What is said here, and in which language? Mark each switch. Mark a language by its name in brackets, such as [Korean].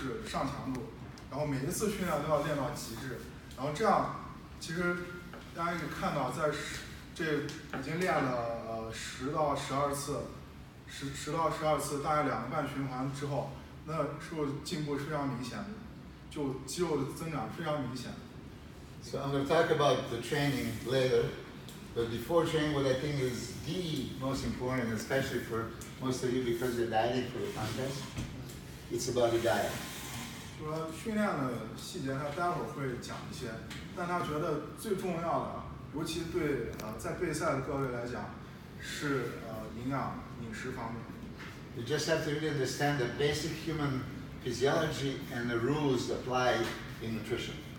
[Chinese] 就是大家都看到师傅每天锻炼，我每天训练，如果说这种训练都算不上努力的话，那他米老师他也不知道什么叫努力。就是说他从第一天到中国没有做任何的铺垫，一上来就是上强度，然后每一次训练都要练到极致。然后这样，其实大家也看到，在这已经练了10到12次，10到12次，大概2个半循环之后，那时候进步是非常明显的，就肌肉的增长非常明显的。 [English] So I'm going to talk about the training later, But before training, what I think is the most important, especially for most of you because you're dieting for the contest, it's about the diet. [Chinese] 除了训练的细节，他待会儿会讲一些，但他觉得最重要的，尤其对在备赛的各位来讲，是营养饮食方面。 [English] You just have to really understand the basic human physiology and the rules apply in nutrition.